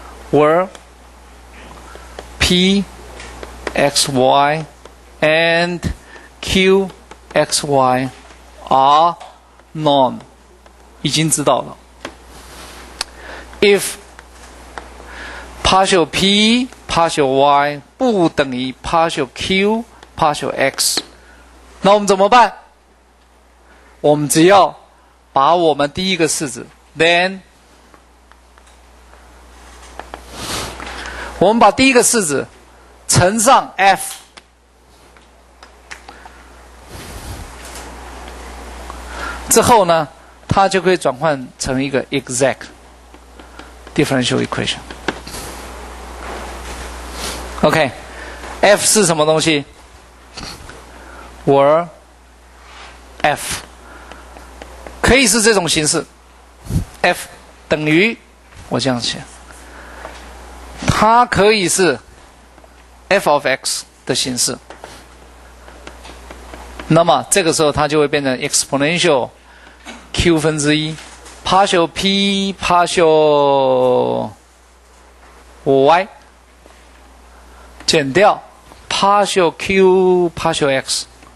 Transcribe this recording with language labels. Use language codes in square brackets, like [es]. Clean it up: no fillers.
[en] Where P x y and Q x y are known. [zh] 已经知道了。 If partial P partial Y 不等于 partial Q partial X， 那我们怎么办？我们只要把我们第一个式子 then 我们把第一个式子乘上 F， 之后呢它就可以转换成一个 exact differential equation。 OK， F 是什么东西？Where F 可以是这种形式， F 等于我这样写，它可以是 F of X 的形式，那么这个时候它就会变成 exponential q 分之一 partial p partial y 减掉 partial q partial x